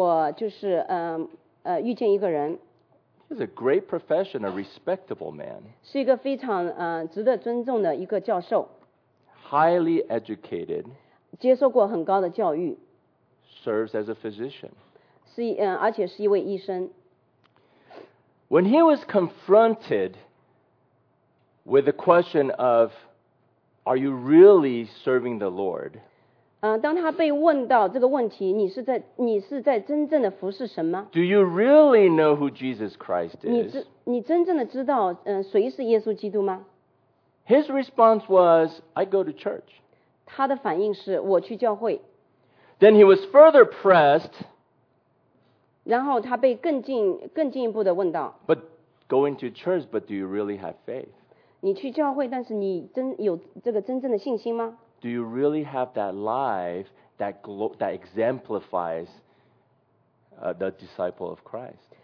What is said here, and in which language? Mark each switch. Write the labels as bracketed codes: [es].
[zh] 不久以前我遇见一个人。 [en] He's a great profession, a respectable man. [zh] 是一个非常值得尊重的一个教授。 [en] Highly educated. [zh] 接受过很高的教育。 [en] Serves as a physician. [zh] 而且是一位医生。 [en] When he was confronted with the question of, are you really serving the Lord? [zh] 当他被问到这个问题，你是在真正的服侍神吗？ [en] Do you really know who Jesus Christ is? [zh] 你真正的知道谁是耶稣基督吗？ [en] His response was, I go to church. [zh] 他的反应是我去教会。 [en] Then he was further pressed. [zh] 然后他被更进一步的问到。 [en] But going to church, but do you really have faith? [zh] 你去教会，但是你真有这个真正的信心吗？ [en] Do you really have that life that exemplifies the disciple of Christ?